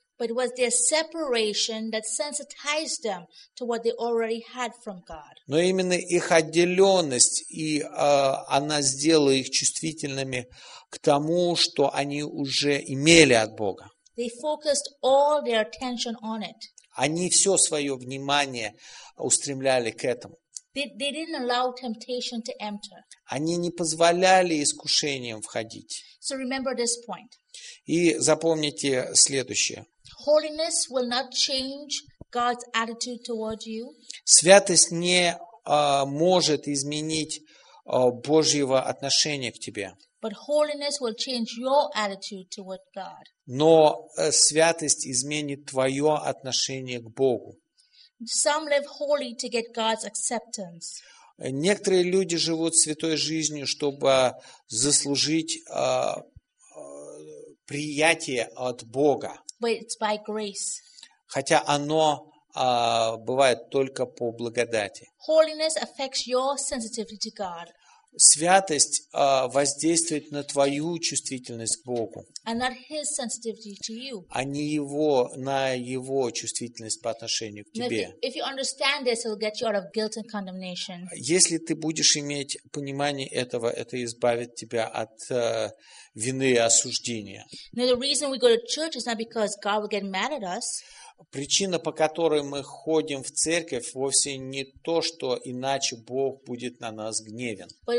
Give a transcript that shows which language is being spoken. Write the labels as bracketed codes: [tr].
[en] But it was their separation that sensitized them to what they already had from God. [ru] Но именно их отделенность и она сделала их чувствительными к тому, что они уже имели от Бога. [en] They focused all their attention on it. [ru] Они все свое внимание устремляли к этому. [en] They didn't allow temptation to enter. [ru] Они не позволяли искушениям входить. [en] So remember this point. [ru] И запомните следующее. [en] Holiness will not change God's attitude toward you. [ru] Святость не может изменить Божьего отношения к тебе. [en] But holiness will change your attitude toward God. [ru] Но святость изменит твое отношение к Богу. [en] Some live holy to get God's acceptance. [ru] Некоторые люди живут святой жизнью, чтобы заслужить приятие от Бога. [en] But it's by grace. [ru] Хотя оно бывает только по благодати. [en] Holiness affects your sensitivity to God. [ru] Святость воздействует на твою чувствительность к Богу. [en] And not his sensitivity to you. [ru] А не его, на его чувствительность по отношению к тебе. [en] If you understand this, it'll get you out of guilt and condemnation. [ru] Если ты будешь иметь понимание этого, это избавит тебя от вины и осуждения. [en] Now the reason we go to church is not because God will get mad at us. [ru] Причина, по которой мы ходим в церковь, вовсе не то, что иначе Бог будет на нас гневен.